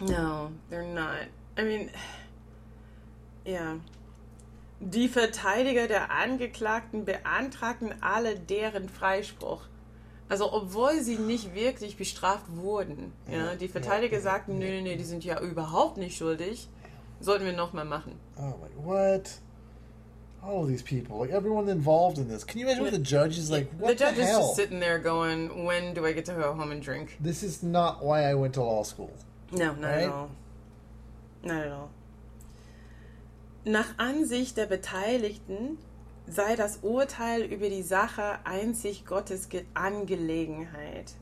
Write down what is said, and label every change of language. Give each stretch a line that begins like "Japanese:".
English: No, they're not. I mean, yeah.
German: Die Verteidiger der Angeklagten beantragten alle deren Freispruch. Also, obwohl sie nicht wirklich bestraft wurden. Ja, ja, die Verteidiger ja, sagten, ja, nee, die sind ja überhaupt nicht schuldig. Sollten wir nochmal machen.
English: Oh, wait, what? All of these people, everyone involved in this. Can you imagine what the judge is like? What the judge is just sitting there going, when do I get to go home and drink? This is not why I went to law school. No, not right? at all. Not at all.
German: Nach Ansicht der Beteiligten sei das Urteil über die Sache einzig Gottes Angelegenheit.